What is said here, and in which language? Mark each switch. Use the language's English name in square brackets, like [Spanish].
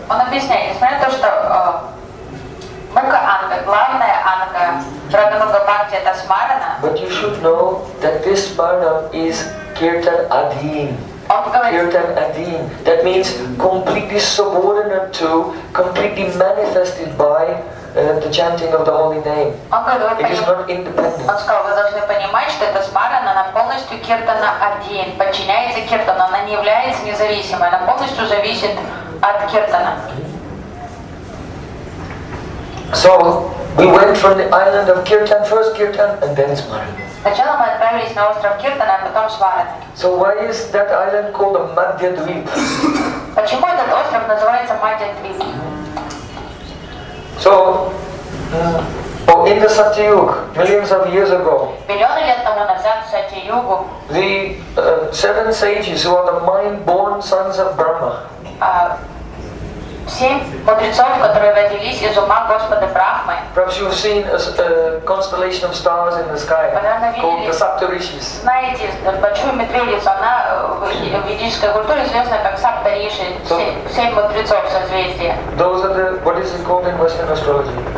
[Russian] Он объясняет, несмотря на то, что в Мука Анга, главная Анга, Прагануга Бхакти, это Смарана. [English] But you should know that this Smarana is Kirtan Adhin. Kirtan Adhin. That means completely subordinate to, completely manifested by the chanting of the holy name. It is not independent. [Russian] Он сказал, вы должны понимать, что эта смарана, она полностью киртана один, подчиняется киртану, она не является независимой, она полностью зависит от киртана. [English] So we went from the island of Kirtan, first Kirtan, and then Smarana. [Russian] Сначала мы отправились на остров Киртана, а потом Сварана. [English] So why is that island called a Madhya Dweep? [Russian] Почему этот остров называется Madhya Dweep? [English] So, in the Satyug, millions of years ago, [Russian] миллионы лет тому назад, в Сатиюгу, [English] the seven sages who are the mind-born sons of Brahma, [Russian] семь мудрецов, которые родились из ума Господа Брахмы. [English] Perhaps you've seen a constellation of stars in the sky called the Saptarishis. [Russian] Знаете, большую метелицу, она в ведической культуре известна как Саптариши, семь мудрецов созвездия. [English] Those are the, what is it called in Western astrology?